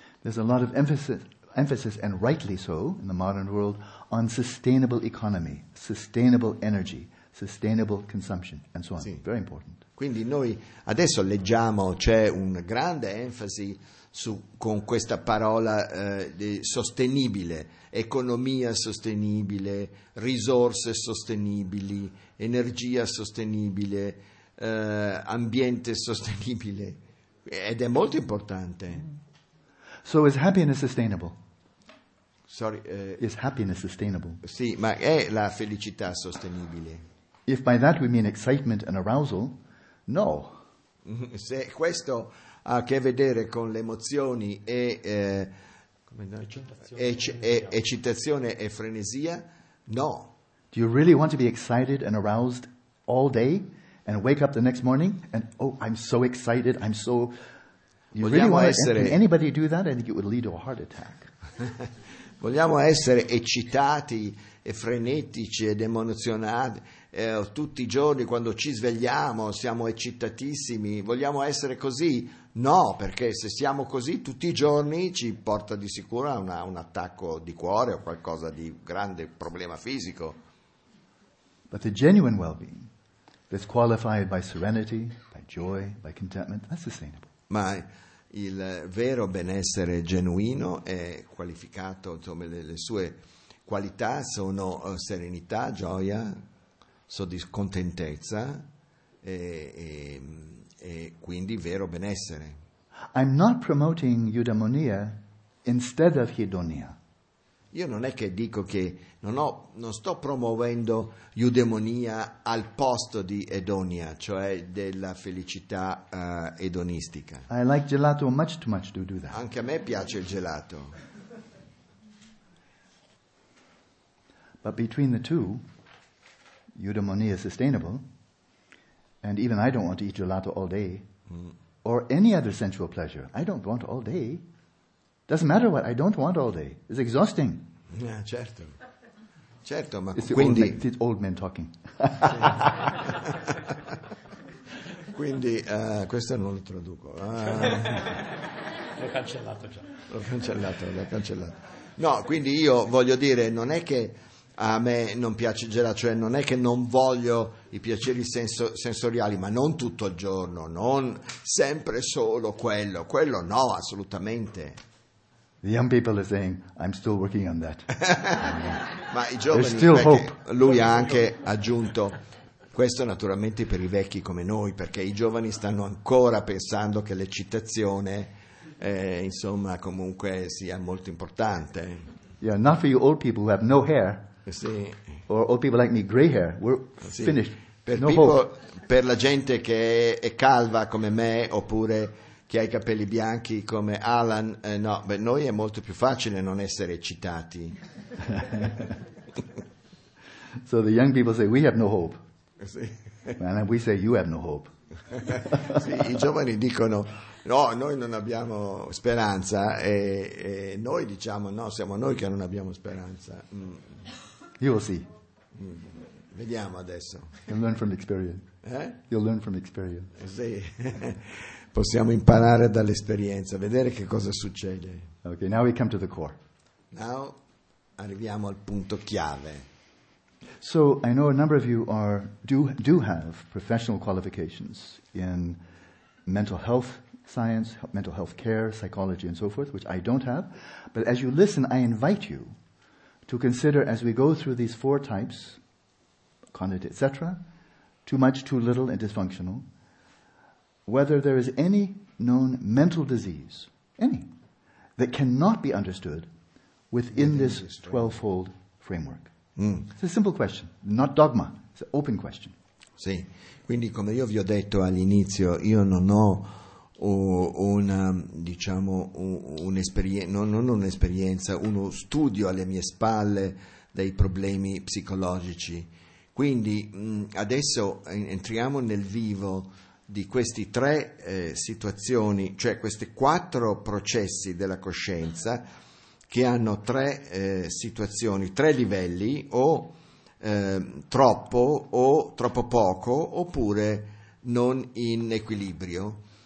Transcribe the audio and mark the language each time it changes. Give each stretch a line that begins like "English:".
English: There's a lot of emphasis, and rightly so, in the modern world, on sustainable economy, sustainable energy, sustainable consumption, and so on.
Italian: Sì.
English: Very important.
Italian: Quindi noi adesso leggiamo, c'è un grande enfasi con questa parola sostenibile, economia sostenibile, risorse sostenibili, energia sostenibile, ambiente sostenibile, ed è molto importante.
English: So is happiness sustainable? Sorry, is happiness sustainable?
Italian: Sì, ma è la felicità sostenibile?
English: If by that we mean excitement and arousal, no.
Italian: Se questo ha a che vedere con le emozioni e eccitazione e frenesia, no.
English: Do you really want to be excited and aroused all day and wake up the next morning and I'm so excited, I'm so... You
Italian: vogliamo
English: really want
Italian: essere...
English: to... Can anybody do that? I think it would lead to a heart attack.
Italian: Vogliamo essere eccitati e frenetici ed emozionati tutti i giorni quando ci svegliamo, siamo eccitatissimi, vogliamo essere così? No, perché se siamo così tutti i giorni ci porta di sicuro a un attacco di cuore o qualcosa di grande problema fisico.
English: But the genuine well-being that's qualified by serenity, by joy, by contentment, that's sustainable.
Italian: Ma il vero benessere genuino è qualificato, insomma, le sue qualità sono serenità, gioia, contentezza e quindi vero benessere.
English: I'm not promoting eudaimonia instead of hedonia.
Italian: Io non è che dico che non sto promuovendo eudaimonia al posto di edonia, cioè della felicità edonistica.
English: I like gelato much too much to do that.
Italian: Anche a me piace il gelato.
English: But between the two, eudaimonia is sustainable. And even I don't want to eat gelato all day, or any other sensual pleasure. I don't want all day. Doesn't matter what, I don't want all day. It's exhausting.
Italian: Yeah, certo. Certo, ma
English: it's
Italian: quindi...
English: It's old men talking.
Italian: Quindi, questo non lo traduco. L'ho cancellato. No, quindi io voglio dire, non è che a me non piace il gelato, cioè non è che non voglio i piaceri sensoriali, ma non tutto il giorno, non sempre solo quello no, assolutamente.
English: The young people are saying, I'm still working on that.
Italian: Ma i giovani,
English: there's still hope.
Italian: Lui ha anche aggiunto, questo naturalmente per i vecchi come noi, perché i giovani stanno ancora pensando che l'eccitazione, insomma, comunque sia molto importante.
English: Yeah, not for you old people who have no hair.
Italian: Sì.
English: Or old people like me, gray hair. We're
Italian: sì.
English: Finished.
Italian: Per
English: no people, hope.
Italian: Per la gente che è calva come me, oppure chi ha i capelli bianchi come Alan, no, per noi è molto più facile non essere eccitati.
English: So the young people say, we have no hope.
Italian: Sì.
English: And we say, you have no hope.
Italian: Sì, i giovani dicono, no, noi non abbiamo speranza, e noi diciamo, no, siamo noi che non abbiamo speranza.
English: You will see.
Italian: Vediamo adesso.
English: You'll learn from experience. Eh? You'll learn from experience.
Italian: Sì. Possiamo imparare dall'esperienza, vedere che cosa succede.
English: Okay, now we come to the core. Now
Italian: arriviamo al punto chiave.
English: So I know a number of you are do have professional qualifications in mental health science, mental health care, psychology, and so forth, which I don't have. But as you listen, I invite you to consider, as we go through these four types, cognitive, etc., too much, too little, and dysfunctional, whether there is any known mental disease, any, that cannot be understood within this 12-fold framework. It's a simple question, not dogma, it's an open question.
Italian: Sì, quindi come io vi ho detto all'inizio, io non ho una, diciamo, un'esperienza, uno studio alle mie spalle dei problemi psicologici. Quindi adesso entriamo nel vivo di queste tre situazioni, cioè questi quattro processi della coscienza che hanno tre situazioni, tre livelli, o troppo o troppo poco, oppure non in equilibrio.